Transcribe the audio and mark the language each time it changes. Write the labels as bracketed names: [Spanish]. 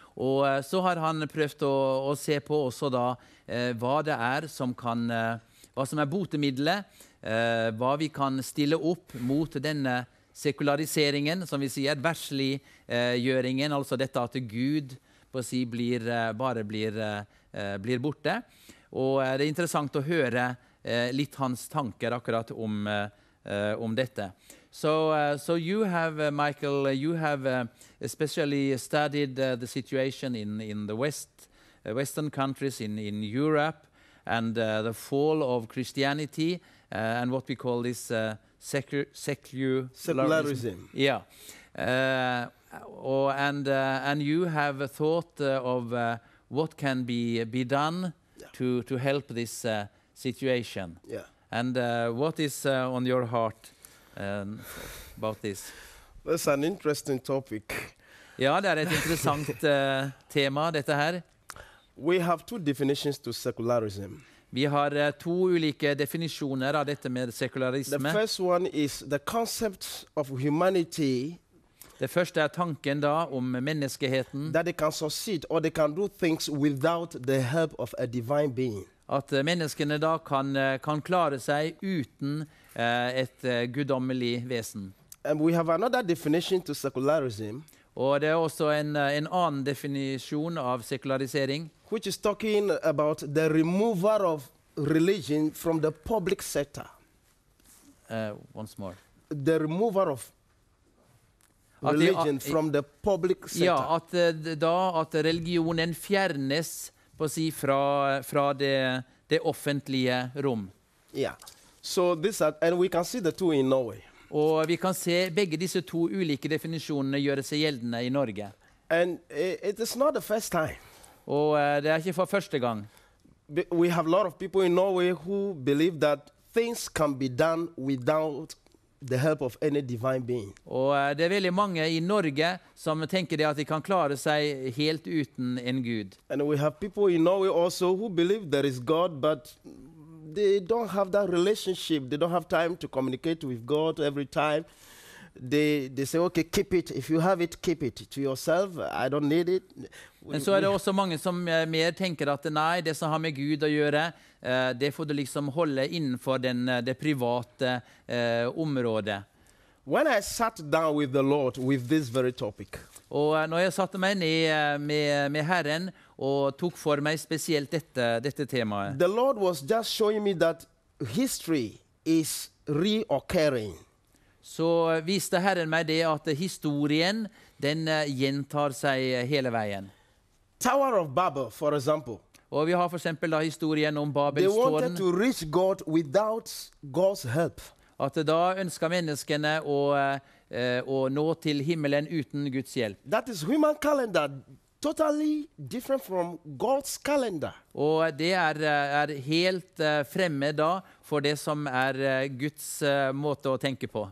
[Norwegian] Og så har han prøvd å se på også da hva det er som kan, hva som er botemidlet, hva vi kan stille opp mot denne sekulariseringen, som vi sier, versliggjøringen, altså dette at Gud på å si blir borte. Og det er interessant å høre litt hans tanker akkurat om dette. [English] So you have Michael, you have especially studied the situation in the West, Western countries in Europe, and the fall of Christianity and what we call this secularism. Yeah, and you have thought of what can be done to help this situation. Yeah, and what is on your heart? About this. That's an interesting topic. [Norwegian] Ja, det er et interessant tema, dette her. [English] We have two definitions to secularism. [Norwegian] Vi har to ulike definisjoner av dette med sekularisme. [English] The first one is the concept of humanity. [Norwegian] Det første er tanken da om menneskeheten. [English] That they can succeed or they can do things without the help of a divine being. [Norwegian] At menneskene da kan klare seg uten et guddommelig vesen. [English] And we have another definition to secularism. [Norwegian] Og det er også en annen definisjon av sekularisering. [English] Which is talking about the removal of religion from the public sector. Once more. The removal of religion from the public sector. [Norwegian] Ja, at religionen fjernes på å si fra det offentlige rom. [English] Yeah. So this and we can see the two in Norway. [Norwegian] Og vi kan se begge disse to ulike definisjonene gjøre seg gjeldende i Norge. [English] And it is not the first time. [Norwegian] Og det er ikke for første gang. [English] We have a lot of people in Norway who believe that things can be done without the help of any divine being. [Norwegian] Og det er veldig mange i Norge som tenker det at de kan klare seg helt uten en Gud. [English] And we have people in Norway also who believe there is God, but they don't have that relationship. They don't have time to communicate with God every time. They say, okay, keep it. If you have it, keep it to yourself. I don't need it. [Norwegian] Men så er det også mange som mer tenker at nei, det som har med Gud å gjøre, det får du liksom holde innenfor det private området. [English] When I sat down with the Lord with this very topic. [Norwegian] Og når jeg satte meg ned med Herren og tok for meg spesielt dette temaet. [English] The Lord was just showing me that history is reoccurring. [Norwegian] Så viste Herren meg det at historien, den gjentar seg hele veien. [English] Tower of Babel, for example. [Norwegian] Og vi har for eksempel da historien om Babelstårn. [English] They wanted to reach God without God's help. [Norwegian] At da ønsker menneskene å nå til himmelen uten Guds hjelp. [English] That is human calendar. totally different from God's calendar. [Norwegian] Og det er helt fremmed da for det som er Guds måte å tenke på.